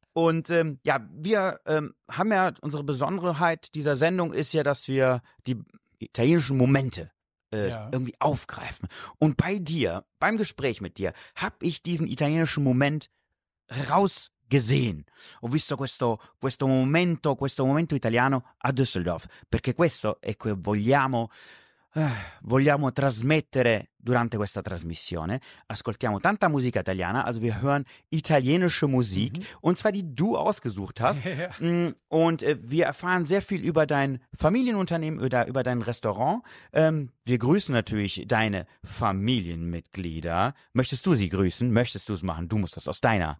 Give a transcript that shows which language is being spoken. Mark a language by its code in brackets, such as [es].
[de] Wir haben ja, unsere Besonderheit dieser Sendung ist ja, dass wir die italienischen Momente, irgendwie aufgreifen. Und bei dir, beim Gespräch mit dir, habe ich diesen italienischen Moment rausgesehen. [it] Ho visto questo momento italiano a Düsseldorf, perché questo è che vogliamo trasmettere durante questa trasmissione. Ascoltiamo tanta musica italiana, [de] also wir hören italienische Musik, mhm. und zwar die du ausgesucht hast. Und wir erfahren sehr viel über dein Familienunternehmen oder über dein Restaurant. Wir grüßen natürlich deine Familienmitglieder. Möchtest du sie grüßen? Möchtest du es machen? Du musst das aus deiner...